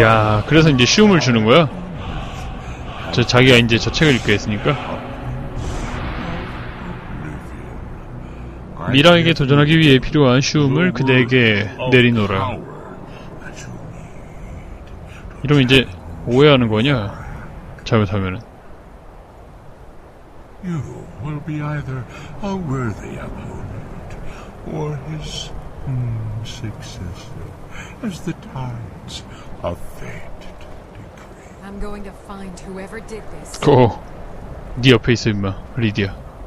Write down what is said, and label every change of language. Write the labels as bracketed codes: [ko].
[ko] 야, 그래서 이제 쉬움을 주는 거야? 저 자기가 이제 저 책을 읽게 했으니까. 미라에게 도전하기 위해 필요한 쉬움을 그대에게 내리노라. 이러면 이제 오해하는 거냐? 잘못하면은. [en] You will be either a worthy opponent or his successor as the tides of fate decree. I'm going to find whoever did this. 고. [ko] 네 옆에 있어 임마, 리디아.